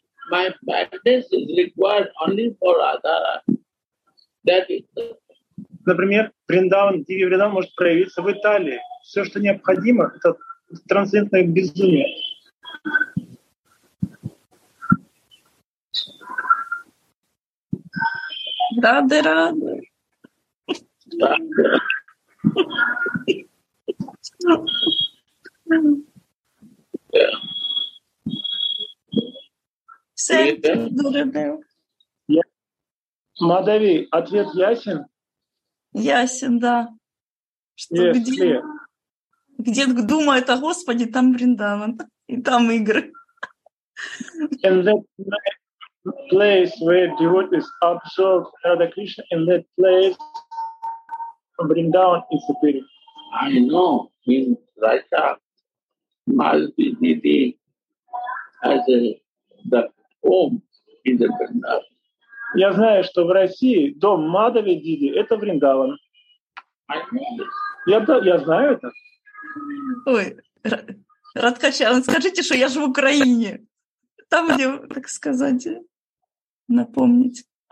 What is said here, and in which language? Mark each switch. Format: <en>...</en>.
<en>My madness is required only for Radha. That is.</en> <ru>Например, Вриндаван, Диви Вриндаван может проявиться в Италии. Все, что необходимо, это трансцендентное безумие. Рады, рады. Все, дорогой. Мадави, ответ ясен? Ясен, да. Что yes, где? Где думает о Господе, там Вриндаван. И там игры.</ru> <en>In that place where devotees observe Radha Krishna, in that place Vrindavan is appearing. I know in Russia Sudhanidhi as a the home in the Vrindavan.</en> <ru>Я знаю, что в России дом Мадави Диди — это Вриндаван. Я знаю это. Ой, Радхача, скажите, что я живу в Украине. Там мне, так сказать, напомнить.</ru>